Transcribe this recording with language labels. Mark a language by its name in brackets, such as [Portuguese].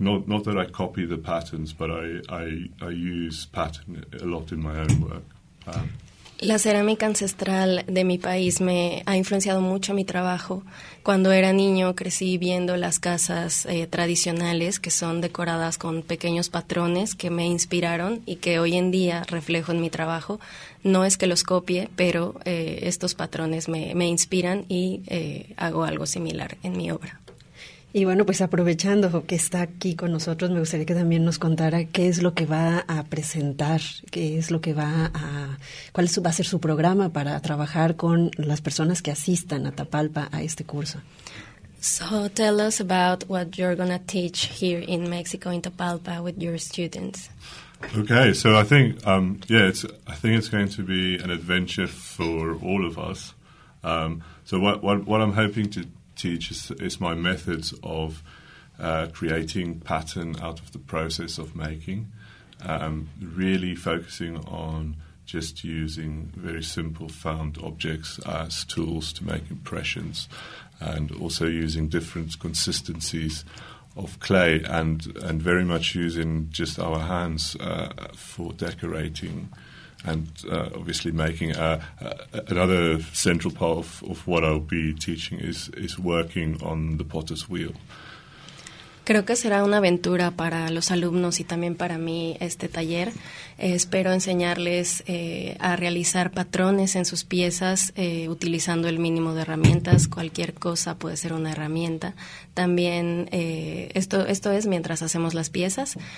[English] Not that I copy the patterns, but I use pattern a lot in my own work. [Spanish] La cerámica ancestral de mi país me ha influenciado mucho a mi trabajo. Cuando era niño, crecí viendo las casas tradicionales, que son decoradas con pequeños patrones que me inspiraron y que hoy en día reflejo en mi trabajo. No es que los copie, pero estos patrones me inspiran y hago algo similar en mi obra. Y bueno, pues aprovechando que está aquí con nosotros, me gustaría que también nos contara qué es lo que va a presentar, cuál va a ser su programa para trabajar con las personas que asistan a Tapalpa a este curso. [English] So tell us about what you're going to teach here in Mexico, in Tapalpa, with your students. Okay, so I think, it's going to be an adventure for all of us. So what I'm hoping to teach is my methods of creating pattern out of the process of making, really focusing on just using very simple found objects as tools to make impressions, and also using different consistencies of clay and very much using just our hands for decorating. And obviously making another central part of what I'll be teaching is working on the potter's wheel. [Spanish] Creo que será una aventura para los alumnos y también para mí este taller. Espero enseñarles a realizar patrones en sus piezas utilizando el mínimo de herramientas. Cualquier cosa puede ser una herramienta. También, esto es mientras hacemos las piezas.